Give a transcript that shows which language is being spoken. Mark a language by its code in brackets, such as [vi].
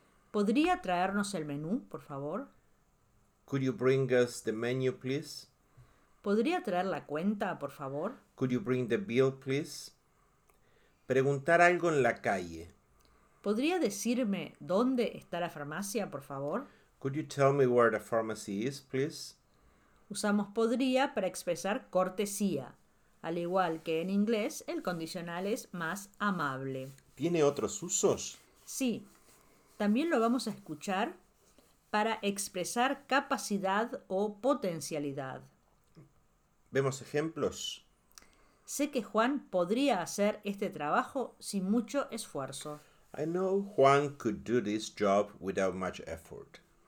[es] ¿Podría traernos el menú, por favor? [en] Could you bring us the menu, please? [es] ¿Podría traer la cuenta, por favor? [en] Could you bring the bill, please? [es] Preguntar algo en la calle. ¿Podría decirme dónde está la farmacia, por favor? [en] Could you tell me where the pharmacy is, please? [es] Usamos podría para expresar cortesía. Al igual que en inglés, el condicional es más amable. ¿Tiene otros usos? Sí, también lo vamos a escuchar para expresar capacidad o potencialidad. Vemos ejemplos. Sé que Juan podría hacer este trabajo sin mucho esfuerzo. [en] I know Juan could do this job without much effort.